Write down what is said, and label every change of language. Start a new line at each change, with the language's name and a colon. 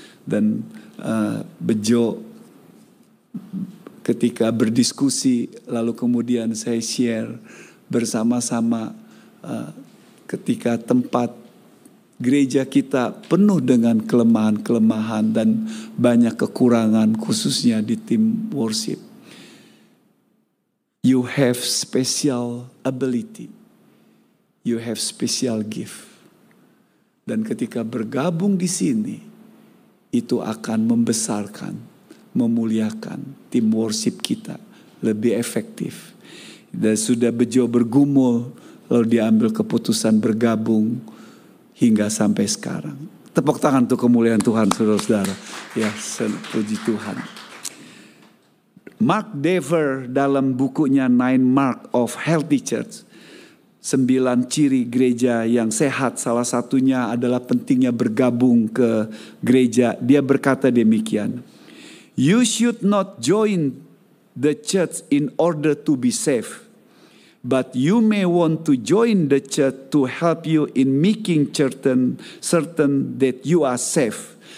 Indonesian: Dan Bejo ketika berdiskusi, lalu kemudian saya share bersama-sama ketika tempat gereja kita penuh dengan kelemahan-kelemahan dan banyak kekurangan, khususnya di tim worship.
English: You have special ability. You have special gift.
Indonesian: Dan ketika bergabung di sini, itu akan membesarkan, memuliakan tim worship kita lebih efektif. Dan sudah Bejo bergumul, lalu diambil keputusan bergabung hingga sampai sekarang. Tepuk tangan untuk kemuliaan Tuhan, saudara-saudara. Ya, puji Tuhan. Mark Dever dalam bukunya Nine Mark of Healthy Church, 9 ciri gereja yang sehat, salah satunya adalah pentingnya bergabung ke gereja. Dia berkata demikian.
English: You should not join the church in order to be safe, but you may want to join the church to help you in making certain that you are safe.